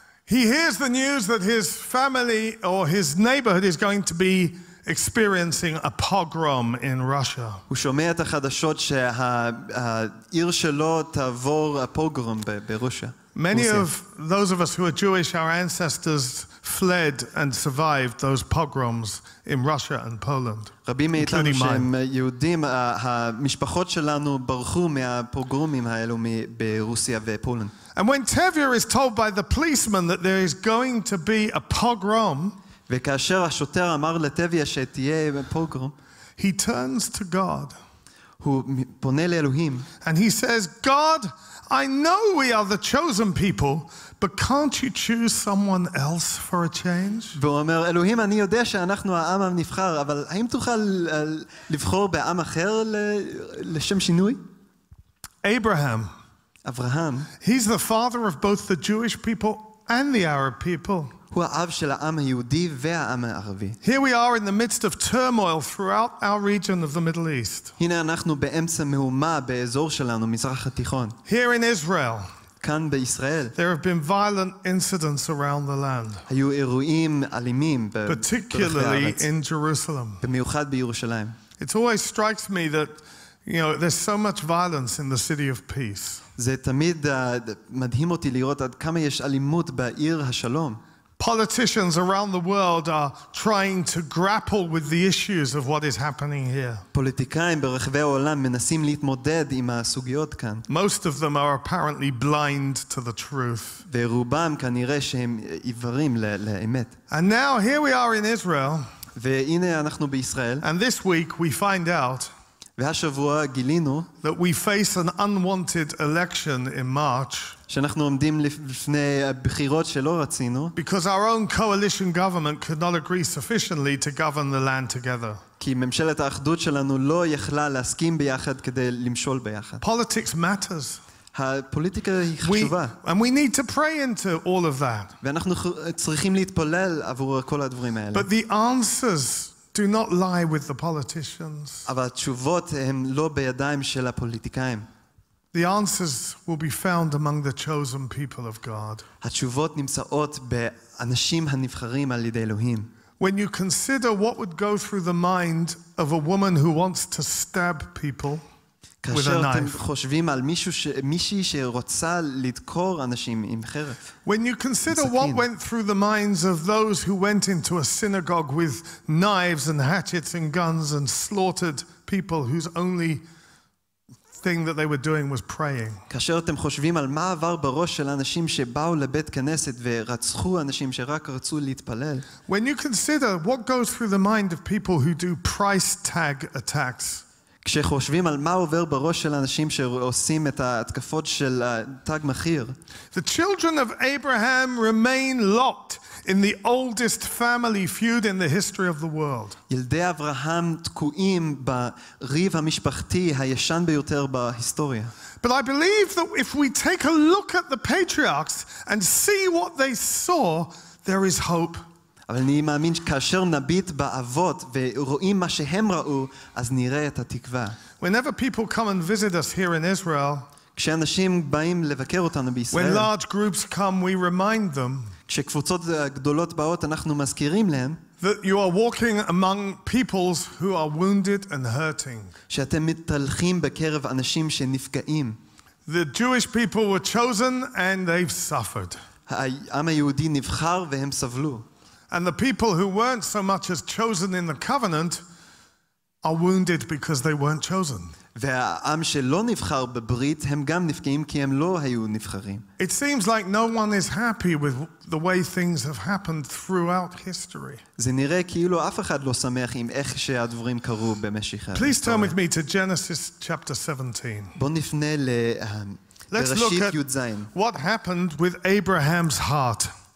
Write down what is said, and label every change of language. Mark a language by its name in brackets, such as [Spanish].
[English] He hears the news that his family or his neighborhood is going to be experiencing a pogrom in Russia. [Hebrew] הוא שומע את החדשות שהעיר שלו תעבור הפוגרום ברוסיה. [English] Many of those of us who are Jewish, our ancestors fled and survived those pogroms in Russia and Poland. [Hebrew] רבים מאיתנו שהם יהודים, המשפחות שלנו ברחו מהפוגרומים האלו ברוסיה ופולנד. [English] And when Tevye is told by the policeman that there is going to be a pogrom, [Hebrew] וכאשר השוטר אמר לטביה שתהיה פוגרום, [English] he turns to God. [Hebrew] הוא פונה לאלוהים. [English] And he says, God, I know we are the chosen people, but can't you choose someone else for a change? [Hebrew] והוא אומר, אלוהים, אני יודע שאנחנו העם הנבחר, אבל האם תוכל לבחור בעם אחר לשם שינוי? [English] Abraham. Abraham. He's the father of both the Jewish people and the Arab people. [Hebrew] הוא האב של העם היהודי והעם הערבי. [English] Here we are in the midst of turmoil throughout our region of the Middle East. [Hebrew] הנה אנחנו באמצע מהומה באזור שלנו, מזרח התיכון. [English] Here in Israel. [Hebrew] כאן בישראל. [English] There have been violent incidents around the land. [Hebrew] היו אירועים אלימים ברחבי הארץ. [English] Particularly in Jerusalem. [Hebrew] במיוחד בירושלים. [English] It always strikes me that, you know, there's so much violence in the city of peace. [Hebrew] זה תמיד מדהים אותי לראות עד כמה יש אלימות בעיר השלום. [English] Politicians around the world are trying to grapple with the issues of what is happening here. [Hebrew] פוליטיקאים ברחבי העולם מנסים להתמודד עם הסוגיות כאן. [English] Most of them are apparently blind to the truth. [Hebrew] ורובם כנראה שהם עיוורים לאמת. [English] And now here we are in Israel. [Hebrew] והנה אנחנו בישראל. [English] And this week we find out [Hebrew] והשבוע גילינו [English] that we face an unwanted election in March. [Hebrew] שאנחנו עומדים לפני הבחירות שלא רצינו. [English] Because our own coalition government could not agree sufficiently to govern the land together. [Hebrew] כי ממשלת האחדות שלנו לא יכלה להסכים ביחד כדי למשול ביחד. [English] Politics matters. [Hebrew] הפוליטיקה היא חשובה. [English] And we need to pray into all of that. [Hebrew] ואנחנו צריכים להתפלל עבור כל הדברים האלה. [English] But the answers do not lie with the politicians. [Hebrew] אבל התשובות הן לא בידיים של הפוליטיקאים. [English] The answers will be found among the chosen people of God. [Hebrew] התשובות נמצאות באנשים הנבחרים על ידי אלוהים. [English] When you consider what would go through the mind of a woman who wants to stab people with a knife. [Hebrew] כאשר אתם חושבים על מישהי שרוצה לדקור אנשים עם חרב. [English] When you consider what went through the minds of those who went into a synagogue with knives and hatchets and guns and slaughtered people whose only thing that they were doing was praying. [Hebrew] כאשר אתם חושבים על מה עבר בראש של אנשים שבאו לבית כנסת ורצחו אנשים שרק רצו להתפלל. [English] When you consider what goes through the mind of people who do price tag attacks. [Hebrew] כשחושבים על מה עובר בראש של אנשים שעושים את ההתקפות של תג מחיר. [English] The children of Abraham remain locked in the oldest family feud in the history of the world. [Hebrew] ילדי אברהם תקועים בריב המשפחתי הישן ביותר בהיסטוריה. [English] But I believe that if we take a look at the patriarchs and see what they saw, there is hope. [Hebrew] אבל אני מאמין שכאשר נביט באבות ורואים מה שהם ראו, אז נראה את התקווה. [English] Whenever people come and visit us here in Israel, [Hebrew] כשאנשים באים לבקר אותנו בישראל, [English] when large groups come, we remind them, [Hebrew] כשקבוצות גדולות באות, אנחנו מזכירים להם, [English] that you are walking among peoples who are wounded and hurting. [Hebrew] שאתם מתהלכים בקרב אנשים שנפגעים. [English] The Jewish people were chosen and they've suffered. [Hebrew] העם היהודי נבחר והם סבלו. [English] And the people who weren't so much as chosen in the covenant are wounded because they weren't chosen. [Hebrew] והעם שלא נבחר בברית הם גם נפגעים כי הם לא היו נבחרים. [English] It seems like no one is happy with the way things have happened throughout history. [Hebrew] זה נראה כאילו אף אחד לא שמח עם איך שהדברים קרו במשך ההיסטוריה. [English] Please turn with me to Genesis chapter 17. [Hebrew] בוא נפנה [English] Let's look at what happened with Abraham's heart.